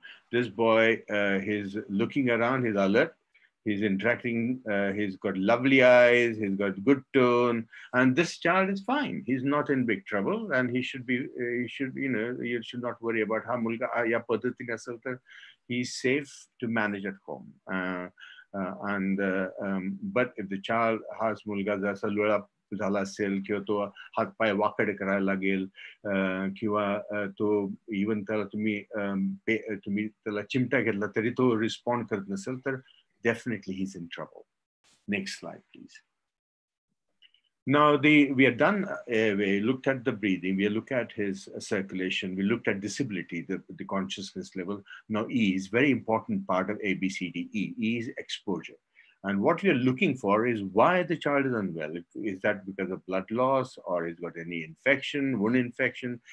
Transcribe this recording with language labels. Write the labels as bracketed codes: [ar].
[en] This boy, he's looking around, he's alert, he's interacting, he's got lovely eyes, he's got good tone, and this child is fine. He's not in big trouble, and he should not worry about how [mr] mulga ya padhati asel tar. [en] He's safe to manage at home. But if the child has [mr] mulga jasa lula झाला असेल किंवा तो हात पाय वाकड करायला लागेल किंवा तो इवन त्याला तुम्ही त्याला चिमटा घेतला तरी तो रिस्पॉन्ड करत नसेल तर [en] Definitely he is in trouble next slide please Now we are done. We looked at the breathing. We looked at his circulation. We looked at disability, the consciousness level. Now E is very important part of ABCDE. E is exposure. And what we are looking for is why the child is unwell. Is that because of blood loss or he's got any infection, wound infection?